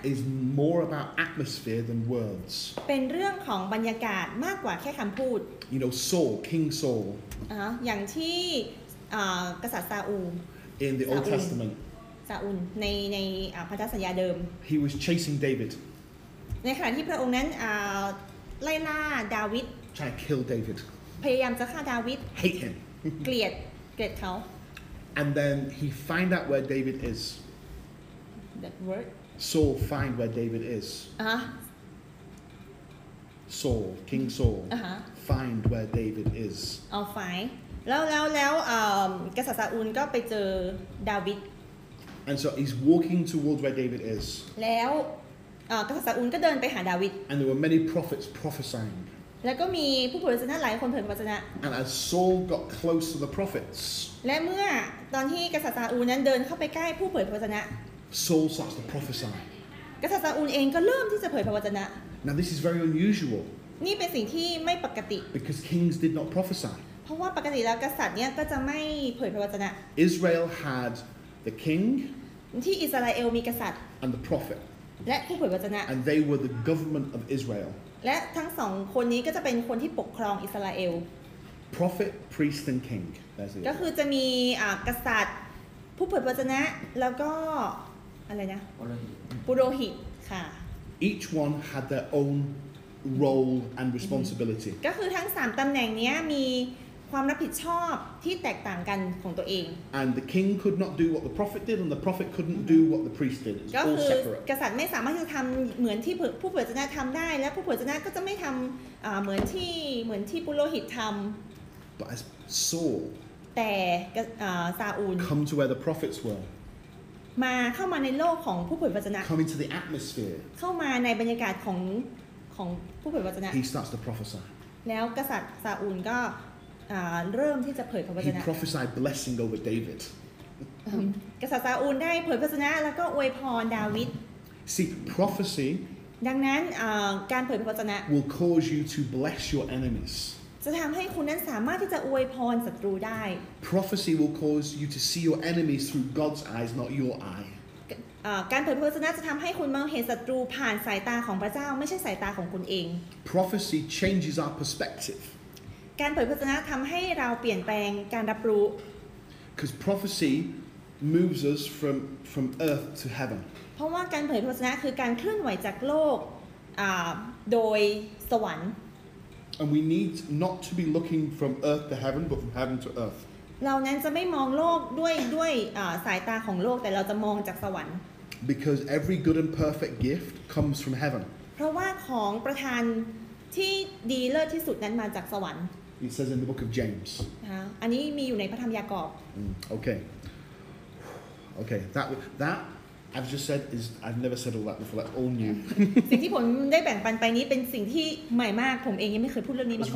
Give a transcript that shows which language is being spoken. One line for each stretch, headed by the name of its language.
English: is more about atmosphere than words
Thai: เป็นเรื่องของบรรยากาศมากกว่าแค่คำพูด
English: you know Saul King Saul
Thai: อย่างที่กษัตริย์ซาอูล
English: in the Old Testament
Thai: ซาอูลในพันธสัญญาเดิม
English: he was chasing David
Thai: ในขณะที่พระองค์นั้นไล่ล่าดาวิด
English: try to kill David
Thai: พยายามจะฆ่าดาวิด
English: hate him
Thai: เกลียดเขา
English: And then he find out where David is. That word? Saul find where David is. Saul, King Saul, find where David is. Oh, fine.
Thai: แล้วกษัตริย์ซาอูลก็ไปเจอดาวิด
English: And so he's walking towards where David is.
Thai: แล้วกษัตริย์ซาอูลก็เดินไปหาดาวิด
English: And there were many prophets prophesying.
Thai: แล้วก็มีผู้เผยพระวจนะหลายคนเผยพระวจนะ
English: And as Saul got close to the prophets
Thai: และเมื่อตอนที่กษัตริย์ซาอูลนั้นเดินเข้าไปใกล้ผู้เผยพระวจนะ
English: Saul starts to prophesy
Thai: กษัตริย์ซาอูลเองก็เริ่มที่จะเผยพระวจนะ
English: Now this is very unusual
Thai: นี่เป็นสิ่งที่ไม่ปกติ
English: Because kings did not prophesy
Thai: เพราะว่าปกติแล้วกษัตริย์เนี่ยก็จะไม่เผยพระวจนะ
English: Israel had the king
Thai: ที่อิสราเอลมีกษัตริย์
English: And the prophet
Thai: และผู้เผยพระวจนะ
English: And they were the government of Israel
Thai: และทั้งสองคนนี้ก็จะเป็นคนที่ปกครองอิสราเอล
English: Prophet, priest and king
Thai: ก็คือจะมีกษัตริย์ผู้เผยพระวจนะแล้วก็อะไรนะ ปุโรหิตค่ะ
English: Each one had their own role and responsibility
Thai: ก็คือทั้ง3ตำแหน่งนี้มีความรับผิดชอบที่แตกต่างกันของตัวเอง
English: And the king could not do what the prophet did and the prophet couldn't do what the priest did
Thai: ก็คือกษัตริย์ไม่สามารถจะทำเหมือนที่ผู้เผยพระวจนะทำได้และผู้เผยพระวจนะก็จะไม่ทำเหมือนที่ปุโรหิตทำ
English: But as Saul
Thai: แต่ซาอูล
English: come to where the prophets were
Thai: มาเข้ามาในโลกของผู้เผยพระวจนะ
English: come into the atmosphere
Thai: เข้ามาในบรรยากาศของผู้เผยพระวจนะ
English: he starts to prophesy
Thai: แล้วกษัตริย์ซาอูลก็เริ่มที่จะเผยพระวจนะ
English: He prophesied blessing over David.
Thai: กษัตริย์ซาอูลได้เผยพระวจนะแล้วก็อวยพรดาวิด
English: See prophecy.
Thai: ดังนั้นการเผยพระวจนะ
English: will cause you to bless your enemies.
Thai: จะทำให้คุณนั้นสามารถที่จะอวยพรศัตรูได้
English: Prophecy will cause you to see your enemies through God's eyes, not your eye.
Thai: การเผยพระวจนะจะทำให้คุณมองเห็นศัตรูผ่านสายตาของพระเจ้าไม่ใช่สายตาของคุณเอง
English: Prophecy changes our perspective.
Thai: การเผยพระวจนะทำให้เราเปลี่ยนแปลงการรับรู้
English: Because prophecy moves us from earth to heaven
Thai: เพราะว่าการเผยพระวจนะคือการเคลื่อนไหวจากโลกโดยสวรรค์
English: And we need not to be looking from earth to heaven but from heaven to earth
Thai: เรานั้นจะไม่มองโลกด้วยสายตาของโลกแต่เราจะมองจากสวรรค์
English: Because every good and perfect gift comes from heaven
Thai: เพราะว่าของประทาน ที่ดีเลิศที่สุดนั้นมาจากสวรรค์
English: It says in the book of James
Thai: อันนี้มีอยู่ในพระธรรมยากอบ โอเคโอเค
English: that I've just said is I've never said all that before that's all new
Thai: สิ่งที่ผมได้แบ่งปันไปนี้เป็นสิ่งที่ใหม่มากผมเองยังไม่เคยพูดเรื่องนี้มาก่อน